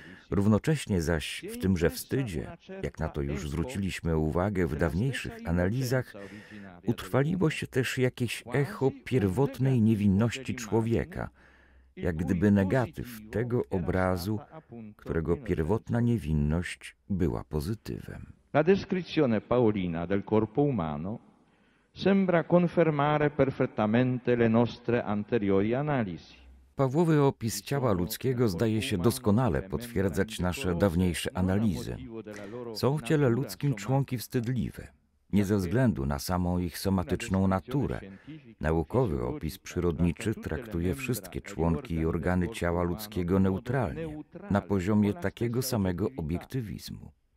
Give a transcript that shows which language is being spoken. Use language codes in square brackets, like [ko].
[pl] Równocześnie zaś w tymże wstydzie, jak na to już zwróciliśmy uwagę w dawniejszych analizach, utrwaliło się też jakieś echo pierwotnej niewinności człowieka, jak gdyby negatyw tego obrazu, którego pierwotna niewinność była pozytywem. [it] La descrizione paolina del corpo umano sembra confermare perfettamente le nostre anteriori analisi. [pl] Pawłowy opis ciała ludzkiego zdaje się doskonale potwierdzać nasze dawniejsze analizy. Są w ciele ludzkim członki wstydliwe. nie ze względu na samą ich somatyczną naturę. Naukowy opis przyrodniczy traktuje wszystkie członki i organy ciała ludzkiego neutralnie, na poziomie takiego samego obiektywizmu.